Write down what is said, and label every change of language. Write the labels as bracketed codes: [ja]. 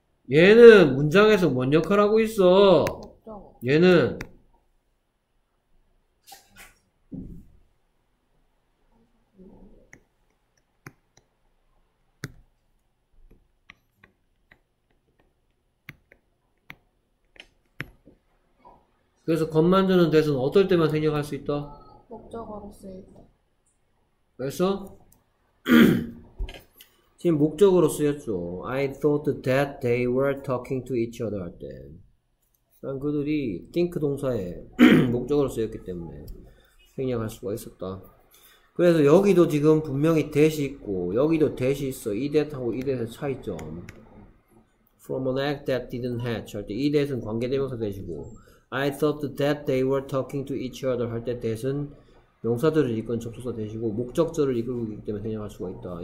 [ko] 얘는 문장에서 뭔 역할을 하고 있어? 얘는 그래서 겉 만드는 데서는 어떨 때만 생략할 수 있다? 목적으로 쓰일 때. 그래서 지금 목적으로 쓰였죠. [en] I thought that they were talking to each other [ko] 할 때. 그들이 think 동사에 목적으로 쓰였기 때문에 생략할 수가 있었다. 그래서 여기도 지금 분명히 that이 있고 여기도 that이 있어. 이 that하고 이 that의 차이점. [en] From an act that didn't hatch [ko] 할때이 that은 관계대명사 되시고 [en] I thought that they were talking to each other [ko] 할때 that은 명사들을 이끈 접속사 되시고 목적절을 이끌고 있기 때문에 생략할 수가 있다.